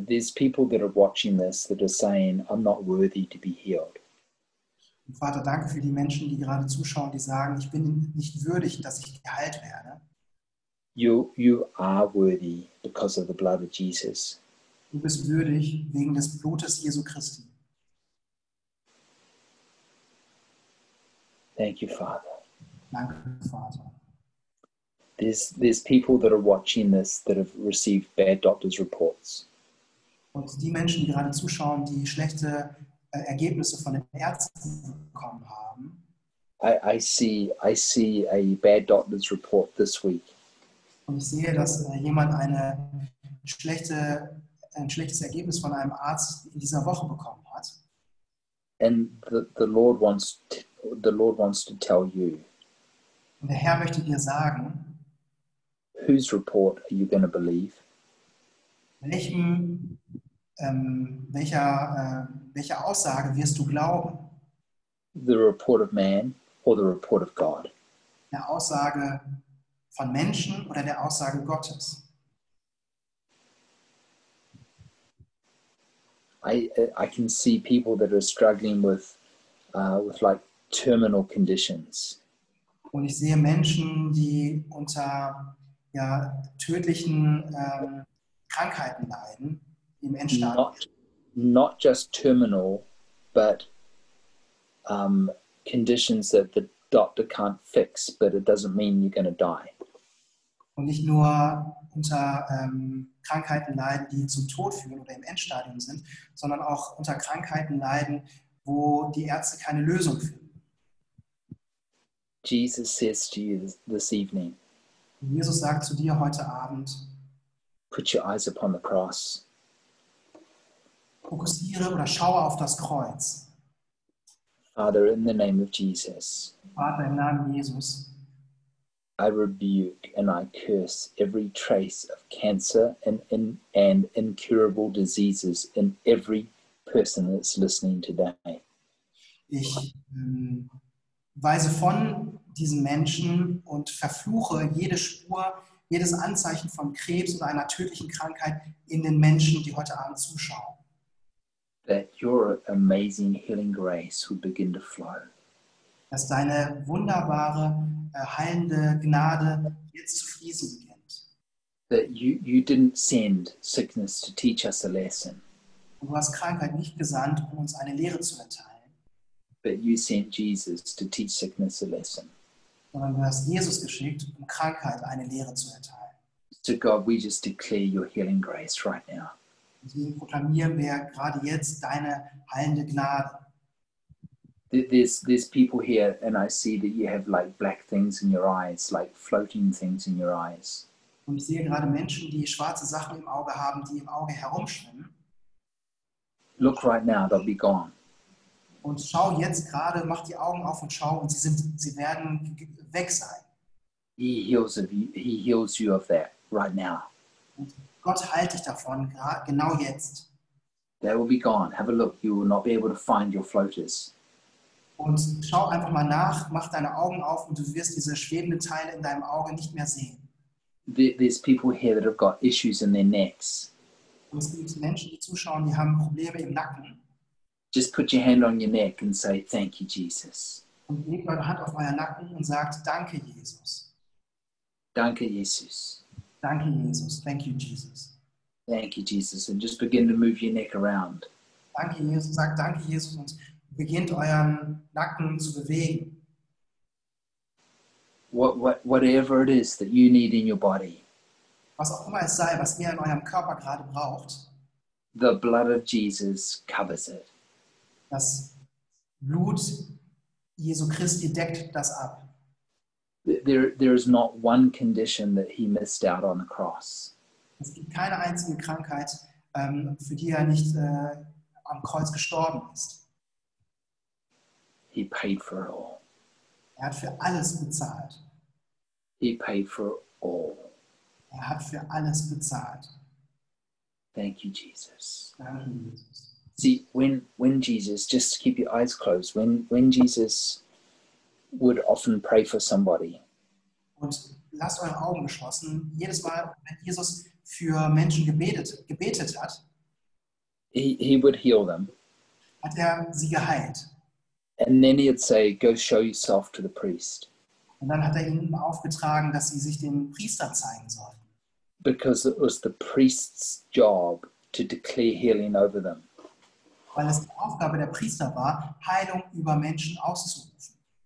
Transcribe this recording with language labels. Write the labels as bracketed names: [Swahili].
[English] There's people that are watching this that are saying, I'm not worthy to be healed. [German] Vater, danke für die Menschen, die gerade zuschauen, die sagen, ich bin nicht würdig, dass ich geheilt werde. [English] You are worthy because of the blood of Jesus. [German] Du bist würdig wegen des Blutes Jesu Christi. [English] Thank you, Father. [German] Danke, Vater. [English] There's people that are watching this that have received bad doctor's reports. [German] Und die Menschen, die gerade zuschauen, die schlechte Ergebnisse von den Ärzten bekommen haben. [English] I see a bad doctor's report this week. [German] Und ich sehe, dass jemand ein schlechtes Ergebnis von einem Arzt in dieser Woche bekommen hat. [English] And the Lord wants to tell you. [German] Und der Herr möchte dir sagen. [English] Whose report are you going to believe? [German] Welcher Aussage wirst du glauben? [English] The report of man or the report of God? [German] Der Aussage von Menschen oder der Aussage Gottes? [English] I can see people that are struggling with like terminal conditions. [German] Und ich sehe Menschen, die unter tödlichen Krankheiten leiden im Endstadium. [English] Not just terminal, but conditions that the doctor can't fix, but it doesn't mean you're going to die. [German] Und nicht nur unter Krankheiten leiden, die zum Tod führen oder im Endstadium sind, sondern auch unter Krankheiten leiden, wo die Ärzte keine Lösung finden. [English] Jesus says to you this evening, [German] Jesus sagt zu dir heute Abend, [English] put your eyes upon the cross. [German] Fokussiere oder schaue auf das Kreuz. [English] Father, in the name of Jesus, [German] Vater, im Namen Jesus, [English] I rebuke and I curse every trace of cancer and incurable diseases in every person that's listening today. [German] Ich weise von diesen Menschen und verfluche jede Spur, jedes Anzeichen von Krebs oder einer tödlichen Krankheit in den Menschen, die heute Abend zuschauen. [English] That your amazing healing grace will begin to flow. [German] Dass deine wunderbare, heilende Gnade jetzt zu fließen beginnt. [English] That you didn't send sickness to teach us a lesson. [German] Und du hast Krankheit nicht gesandt, um uns eine Lehre zu erteilen. [English] But you sent Jesus to teach sickness a lesson. [German] Sondern du hast Jesus geschickt, um Krankheit eine Lehre zu erteilen. [English] So God, we just declare your healing grace right now. [German] Deswegen proklamieren wir gerade jetzt deine heilende Gnade. [English] There's people here and I see that you have like black things in your eyes, like floating things in your eyes. [German] Und ich sehe gerade Menschen, die schwarze Sachen im Auge haben, die im Auge herumschwimmen. [English] Look right now, they'll be gone. [German] Und schau jetzt gerade, mach die Augen auf und schau und sie werden weg sein. [English] He heals you of that right now. [German] Gott heilt dich davon, genau jetzt. [English] They will be gone. Have a look. You will not be able to find your floaters. [German] Und schau einfach mal nach, mach deine Augen auf und du wirst diese schwebenden Teile in deinem Auge nicht mehr sehen. [English] There's people here that have got issues in their necks. [German] Und es gibt Menschen, die zuschauen, die haben Probleme im Nacken. [English] Just put your hand on your neck and say, thank you, Jesus. [German] Und legt eure Hand auf euren Nacken und sagt, danke, Jesus. Danke, Jesus. Danke, Jesus. [English] Thank you, Jesus. Thank you, Jesus. And just begin to move your neck around. [German] Danke, Jesus. Sagt danke, Jesus. Und beginnt euren Nacken zu bewegen. [English] Whatever it is that you need in your body. [German] Was auch immer es sei, was ihr in eurem Körper gerade braucht. [English] The blood of Jesus covers it. [German] Das Blut Jesu Christi deckt das ab. [English] There is not one condition that he missed out on the cross. [German] Es gibt keine einzige Krankheit, für die er nicht am Kreuz gestorben ist. [English] He paid for it all. [German] Er hat für alles bezahlt. [English] He paid for all. [German] Er hat für alles bezahlt. [English] Thank you, Jesus. [German] Danke, Jesus. [English] See, when Jesus, just keep your eyes closed, when Jesus would often pray for somebody. [German] Und lasst eure Augen geschlossen. Jedes Mal, wenn Jesus für Menschen gebetet hat, [English] he would heal them. [German] Hat er sie geheilt. [English] And then he'd say, go show yourself to the priest. [German] Und dann hat er ihnen aufgetragen, dass sie sich dem Priester zeigen sollten. [English] Because it was the priest's job to declare healing over them. [German] Weil es die Aufgabe der Priester war, Heilung über Menschen auszurufen.